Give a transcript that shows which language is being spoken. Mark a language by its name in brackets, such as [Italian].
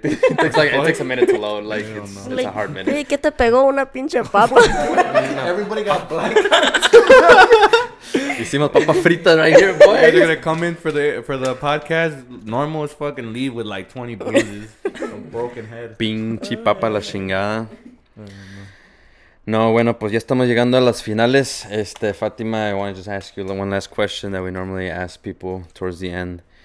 [English] It takes a minute to load. Like, it's like, a hard minute. [Spanish] ¿Qué te pegó una pinche papa? [English] Everybody got black. You see my [Spanish] papa frita [English] right here, boy. They're gonna come in for the podcast. Normal as fucking leave with like 20 bruises, a broken head. [Spanish] Pinche papa la chingada. No, bueno, pues ya estamos llegando a las finales. [English] Fatima, I want to just ask you one last question that we normally ask people towards the end.